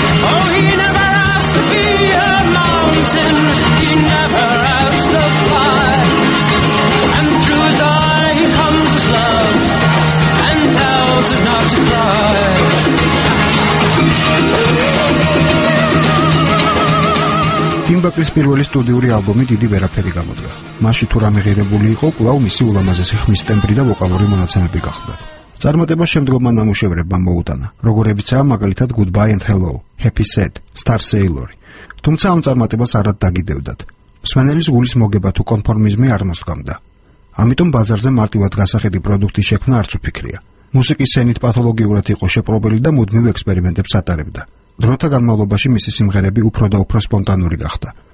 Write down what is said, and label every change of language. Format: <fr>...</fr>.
<en>Oh, he never asked to be a mountain. He never asked to fly. And through his eye comes his love and tells him not to cry.</en> <ka>ტიმ ბაკლის პირველი სტუდიური ალბომი დიდი ვერაფერი გამოდგა. მასში თუ რამე ღირებული იყო, კვლავ მისი ულამაზესი ხმის ტემპრი და ვოკალური მონაცემები გახლდათ. წარმატება შემდგომმა ნამუშევრებმა მოუტანა, როგორებიცაა მაგალითად Goodbye and Hello, Happy Sad, Star Sailor. თუმცა ამ წარმატებას არ დაგიდევდათ. მსმენელის გულის მოგება თუ კონფორმიზმი არ მოსდგამდა. ამიტომ ბაზარზე მარტივად გასაღები პროდუქტის შექმნა არც უფიქრია. მუსიკის სცენით პათოლოგიურად იყო შეპრობილი და მუდმივ ექსპერიმენტებს ატარებდა. დროთა განმავლობაში მისი სიმღერები უფრო და უფრო სპონტანური გახდა.</ka>